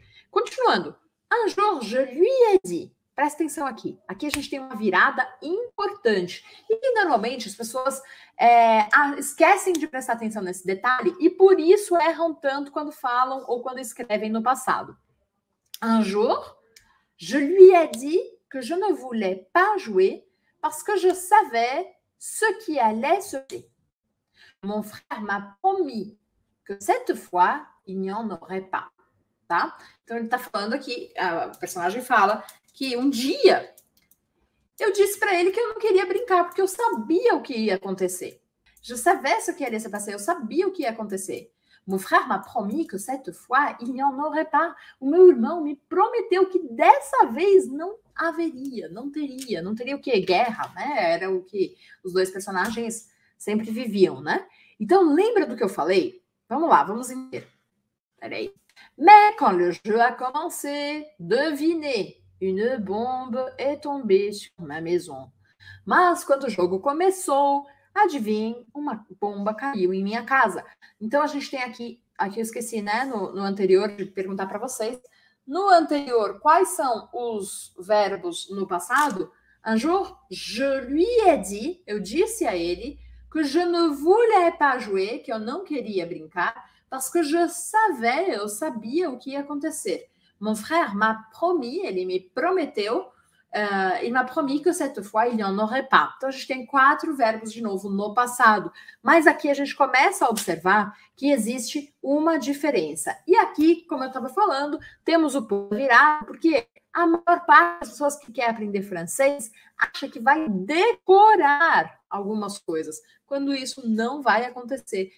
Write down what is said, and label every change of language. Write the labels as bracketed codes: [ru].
[pt] Continuando, [fr] un jour je lui ai dit. [pt] Presta atenção aqui. Aqui a gente tem uma virada importante. E normalmente as pessoas esquecem de prestar atenção nesse detalhe e por isso erram tanto quando falam ou quando escrevem no passado. [fr] Un jour, je lui ai dit que je ne voulais pas jouer parce que je savais ce qui allait se passer. Mon frère m'a promis que cette fois, il n'y en aurait pas. [pt] Tá? Então ele está falando aqui, o personagem fala que um dia eu disse para ele que eu não queria brincar, porque eu sabia o que ia acontecer. [fr] Je savais ce qui allait se passer, [pt] eu sabia o que ia acontecer. [fr] Mon frère m'a promis que cette fois il n'y en aurait pas. [pt] O meu irmão me prometeu que dessa vez não haveria, não teria. Não teria o quê? Guerra, né? Era o que os dois personagens sempre viviam, né? Então lembra do que eu falei? Vamos lá, vamos entender. Peraí. [fr] Mais quand le jeu a commencé, devinez, une bombe est tombée sur ma maison. [pt] Mas quando o jogo começou, adivinhe, uma bomba caiu em minha casa. Então a gente tem aqui eu esqueci, né, no anterior de perguntar para vocês. No anterior, quais são os verbos no passado? [fr] Un jour, je lui ai dit, [pt] eu disse a ele, [fr] que je ne voulais pas jouer, [pt] que eu não queria brincar. [fr] Parce que je savais, [pt] eu sabia o que ia acontecer. [fr] Mon frère m'a promis, [pt] ele me prometeu, [fr] il m'a promis que cette fois il n'y en aurait pas. [pt] Então, a gente tem quatro verbos de novo no passado. Mas aqui a gente começa a observar que existe uma diferença. E aqui, como eu estava falando, temos o ponto virado, porque a maior parte das pessoas que quer aprender francês acha que vai decorar algumas coisas, quando isso não vai acontecer.